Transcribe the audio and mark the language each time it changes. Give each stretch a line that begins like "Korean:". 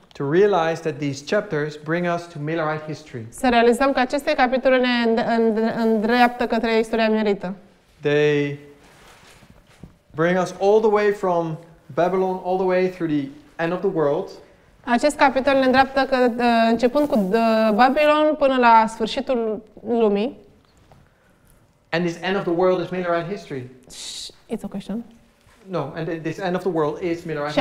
English: To realize that these chapters bring us to Millerite history.
Romanian: Să realizăm că aceste capitole ne îndreaptă către istoria Millerită.
English: They bring us all the way from Babylon all the way through the end of the world.
Romanian: Acest capitol ne îndreaptă că începând cu Babilon până la sfârșitul lumii.
English: And this end of the world is Millerite history. It's a question. No, and this end of the world is Millerite